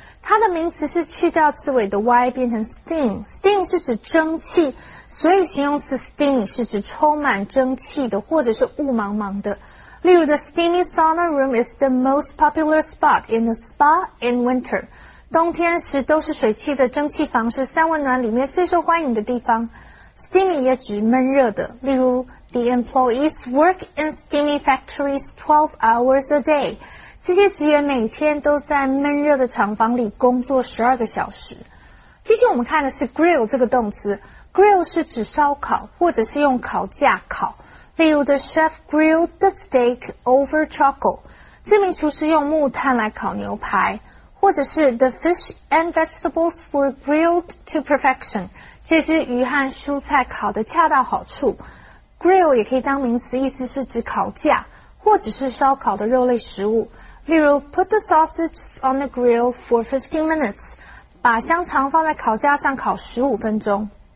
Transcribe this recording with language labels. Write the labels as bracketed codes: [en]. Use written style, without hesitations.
[zh] 它的名词是去掉刺尾的 y 变成 steam。 steam 是指蒸汽，所以形容词 steamy 是指充满蒸汽的或者是雾茫茫的。例如 [en] ,the steamy sauna room is the most popular spot in the spa in winter. [zh] 冬天时都是水汽的蒸汽房是三温暖里面最受欢迎的地方。 [en] steamy [zh] 也指闷热的，例如 [en] ,the employees work in steamy factories 12 hours a day. [zh] 这些职员每天都在闷热的厂房里工作12个小时。接下来我们看的是 grill 这个动词。grill 是指烧烤或者是用烤架烤。例如 [en] ,the chef grilled the steak over charcoal. [zh] 这名厨师用木炭来烤牛排。或者是 [en] ,the fish and vegetables were grilled to perfection. [zh] 这只鱼和蔬菜烤得恰到好处。Grill 也可以当名词，意思是指烤架，或者是烧烤的肉类食物。例如 [en] ,put the sausages on the grill for 15 minutes. [zh] 把香肠放在烤架上烤15分钟。